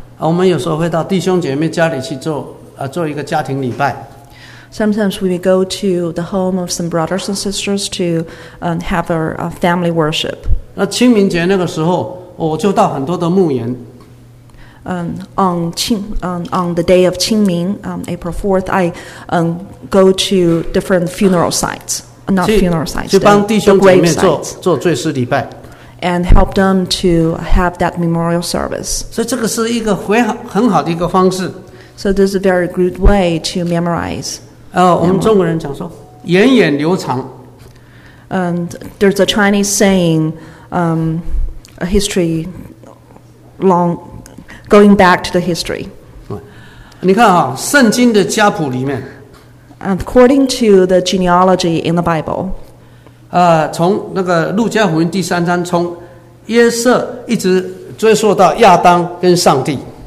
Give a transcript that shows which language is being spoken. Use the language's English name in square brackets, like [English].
[Chinese] 我们有时候会到弟兄姐妹家里去做一个家庭礼拜。 [English] Sometimes we go to the home of some brothers and sisters to have a family worship. [Chinese] 那清明节那个时候，我就到很多的墓园。 [English] On the day of Qingming, April 4th, I go to different funeral sites. Not funeral sites, [Chinese] 去帮弟兄姐妹做追思礼拜。 [English] And help them to have that memorial service. [Chinese] 所以这个是一个很好的一个方式。 [English] So this is a very good way to memorize. [Chinese] 我们中国人讲说，源远流长。 [English] And there's a Chinese saying, a history long, going back to the history. [Chinese] 你看圣经的家谱里面。 [English] According to the genealogy in the Bible. [Chinese] 从那个路加福音第三章，从约瑟一直追溯到亚当跟上帝。